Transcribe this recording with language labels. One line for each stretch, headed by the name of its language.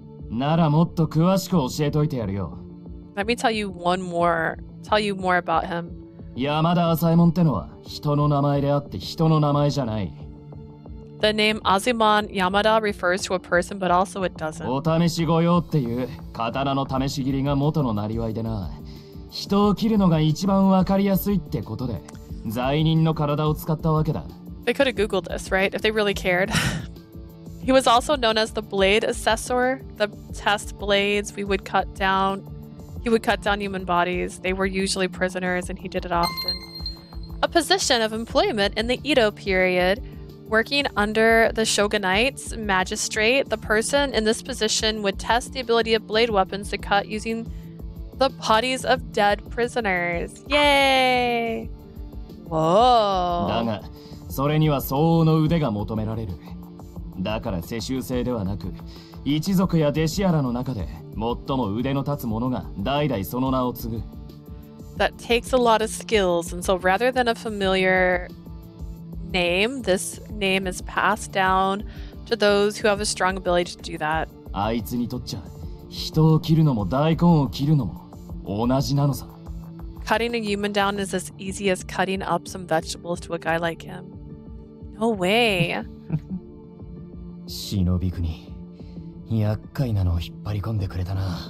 Japanese: ならもっと詳しく教えといてやるよ。
English: Let me tell you more about him.
Japanese: 山田浅右衛門ってのは人の名前であって人の名前じゃない。
English: The name Azumon Yamada refers to a person, but also it doesn't.
Japanese: お試し御用っていう刀の試し切りが元のなりわいでな。人を切るのが一番わかりやすいってことで、罪人の体を使ったわけだ。
English: They could have googled this, right? If they really cared. He was also known as the blade assessor. The test blades he would cut down human bodies. They were usually prisoners, and he did it often. A position of employment in the Edo period, working under the shogunate's magistrate, the person in this position would test the ability of blade weapons to cut using the bodies of dead prisoners. Yay! Whoa!
Japanese: だが、それには相応の腕が求められる。だから世襲制ではなく、一族や弟子やらの中で最も腕の立つ者が代々その名を継ぐ。
English: That takes a lot of skills, and so rather than a familiar name, this name is passed down to those who have a strong ability to do that.
Japanese: あいつにとっちゃ、人を切るのも大根を切るのも同じなのさ。
English: Cutting a human down is as easy as cutting up some vegetables to a guy like him. No way!
Japanese: 忍び国、厄介なのを引っ張り込んでくれたな。